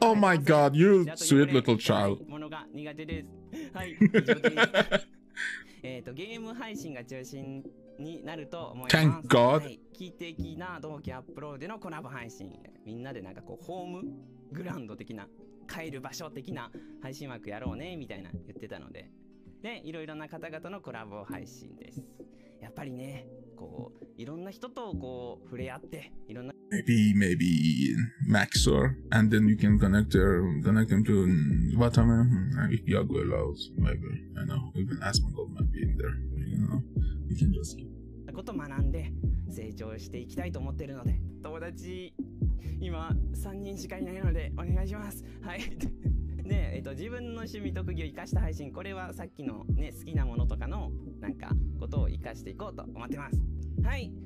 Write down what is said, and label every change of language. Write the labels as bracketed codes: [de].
[en] Oh my god, you sweet little child. [ja] ものが苦手です。はい。ゲーム配信が中心になると思います。 [en] Thank god. [ja] 奇跡な同期アップロードのコラボ配信。みんなでなんかこうホームグラウンド的な帰る場所的な配信枠やろうねみたいな言ってたので、でいろいろな方々のコラボ配信です。やっぱりね、こういろんな人とこう触れ合っていろんな。 [en] Maybe Maxor, and then you can connect him to Watame, maybe Yago allows, maybe, I know, even Asmongold might be in there, you know, you can just keep. [ja] こと学んで成長していきたいと思ってるので、友達、今3人しかいないのでお願いします。はい。で、自分の趣味特技を生かした配信、これはさっきのね、好きなものとかのなんかことを生かしていこうと思ってます。はい。